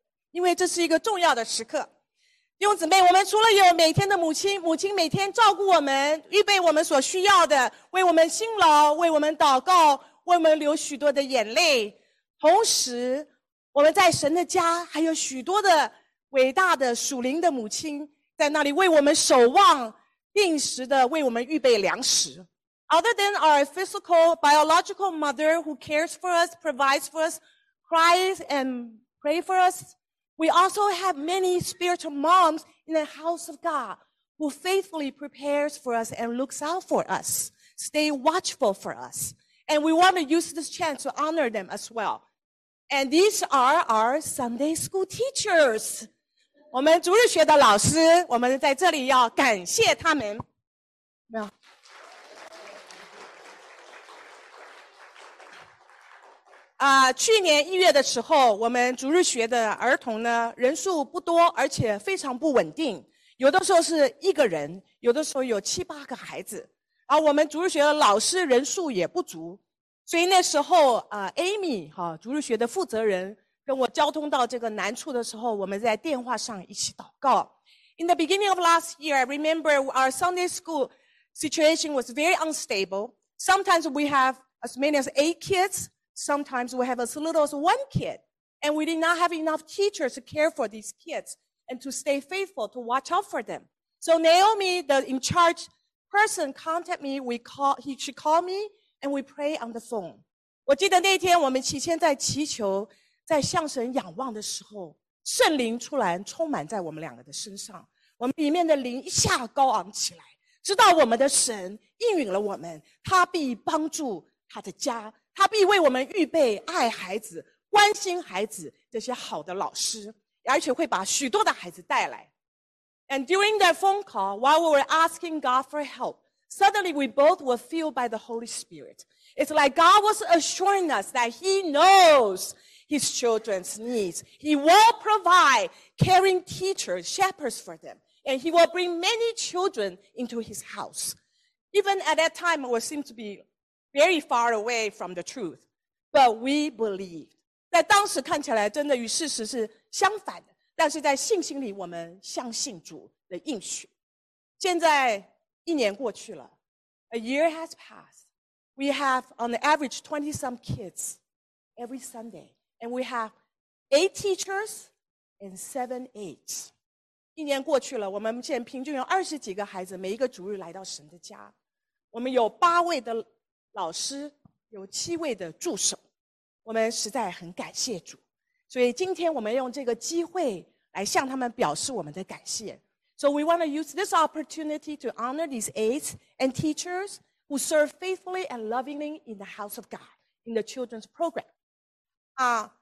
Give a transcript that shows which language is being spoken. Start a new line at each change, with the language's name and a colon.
Chinese: 因为这是一个重要的时刻。弟兄姊妹，我们除了有每天的母亲，母亲每天照顾我们，预备我们所需要的，为我们辛劳，为我们祷告，为我们流许多的眼泪，同时我们在神的家还有许多的伟大的属灵的母亲在那里为我们守望，定时的为我们预备粮食。
English: Other than our physical biological mother who cares for us, provides for us, cries and prays for us, we also have many spiritual moms in the house of God who faithfully prepares for us and looks out for us, stay watchful for us. And we want to use this chance to honor them as well. And these are our Sunday school teachers.
Chinese: 我们逐日学的老师，我们在这里要感谢他们。没有。去年一月的时候，我们逐日学的儿童呢，人数不多，而且非常不稳定。有的时候是一个人，有的时候有七八个孩子。而我们逐日学的老师人数也不足。所以那时候Amy, 逐日学的负责人跟我交通到这个难处的时候，我们在电话上一起祷告。
English: In the beginning of last year, I remember our Sunday school situation was very unstable. Sometimes we have as many as 8 kids, sometimes we have as little as 1 kid, and we did not have enough teachers to care for these kids and to stay faithful to watch out for them. So Naomi, the in charge person, contacted me. She called me and we pray on the phone.
Chinese: 我记得那天我们起先在祈求，在向神仰望的时候，圣灵突然充满在我们两个的身上，我们里面的灵一下高昂起来，知道我们的神应允了我们，他必帮助他的家，他必为我们预备爱孩子、关心孩子这些好的老师，而且会把许多的孩子带来。
English: And during that phone call, while we were asking God for help, suddenly we both were filled by the Holy Spirit. It's like God was assuring us that He knowshis children's needs. He will provide caring teachers, shepherds for them, and he will bring many children into his house. Even at that time, it seemed to be very far away from the truth, but we believed.
Chinese: 在当时看起来真的与事实是相反的，但是在信心里我们相信主的应许。现在一年过去了，
English: a year has passed. We have on the average 20-some kids every Sunday. And we have 8 teachers and 7 aides.
Chinese: 一年过去了，我们现在平均有二十几个孩子每一个主日来到神的家。我们有八位的老师，有七位的助手。我们实在很感谢主。所以今天我们用这个机会来向他们表示我们的感谢。
English: So we want to use this opportunity to honor these aides and teachers who serve faithfully and lovingly in the house of God, in the children's program.